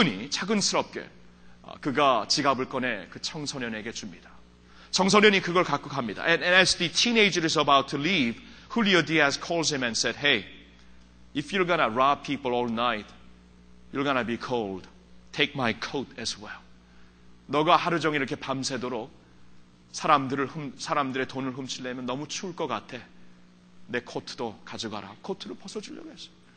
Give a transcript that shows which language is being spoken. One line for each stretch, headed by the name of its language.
Korean: 차근스럽게 그가 지갑을 꺼내 그 청소년에게 줍니다. 청소년이 그걸 갖고 갑니다.
English: And as the teenager is about to leave, Julio Diaz calls him and said, "Hey, if you're gonna rob people all night, you're gonna be cold. Take my coat as well."
Korean: 너가 하루 종일 이렇게 밤새도록 사람들의 돈을 훔치려면 너무 추울 것 같아. 내 코트도 가져가라. 코트를 벗어주려고 했어.